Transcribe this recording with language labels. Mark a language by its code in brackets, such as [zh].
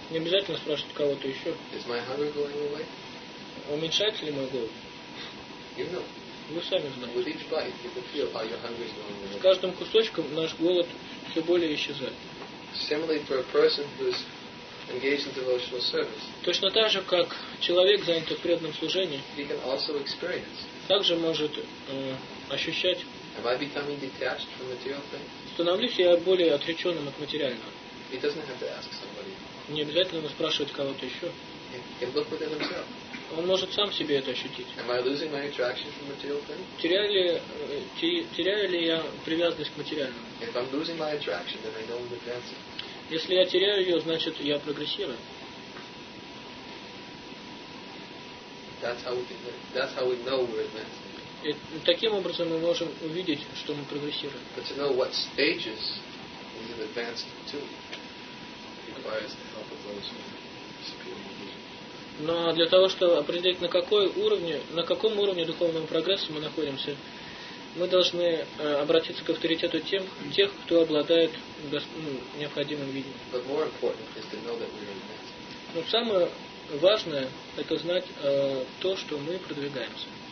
[ru] Не обязательно спрашивать кого-то еще. [en] Is my hunger going away? [ru] Уменьшается ли мой голод? [en] You know. [ru] Вы сами знаете. [en] With each bite, you can feel how your hunger is going away. [ru] С каждым кусочком наш голод все более исчезает. [en] Similarly for a person who's engaged in devotional service. [ru] Точно так же, как человек, занятый в преданном служении, [en] he can also experience. [ru] Также может ощущать. [en] Am I becoming detached from material things? [ru] Становлюсь я более отреченным от материального. [en] He doesn't have to ask somebody. [ru] Не обязательно ему спрашивать кого-то еще. [en] He can look within himself. [ru] Он может сам себе это ощутить. [en] Am I losing my attraction from material things? [ru] Теряю ли я привязанность к материальному? [en] If I'm losing my attraction, then I know I'm advancing. [ru] Если я теряю ее, значит я прогрессирую. [en] That's how we know we're advancing. [ru] И таким образом мы можем увидеть, что мы прогрессируем. [en] But to know what stages we've advanced to requires the help of those who are superior. [ru] Но для того, чтобы определить, на каком уровне духовного прогресса мы находимся, мы должны обратиться к авторитету тех, кто обладает необходимым видением. [en] But more important is to know that we're advanced. [ru] Но самое важное – это знать то, что мы продвигаемся.